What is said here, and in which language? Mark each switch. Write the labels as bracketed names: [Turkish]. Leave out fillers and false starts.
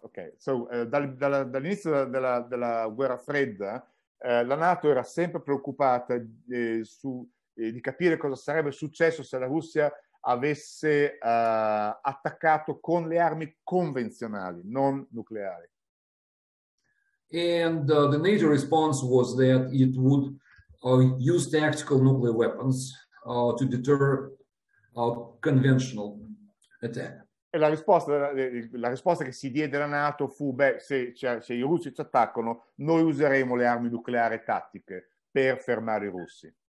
[Italian] Okay, so dall'inizio della guerra fredda, la NATO era sempre preoccupata di capire cosa sarebbe successo se la Russia avesse attaccato con le armi convenzionali, non nucleari. [English] And the NATO response was that it would use tactical nuclear weapons to deter conventional attack. [Italian] E la risposta che si diede alla NATO fu, se i russi ci attaccano, noi useremo le armi nucleari tattiche per fermare i russi.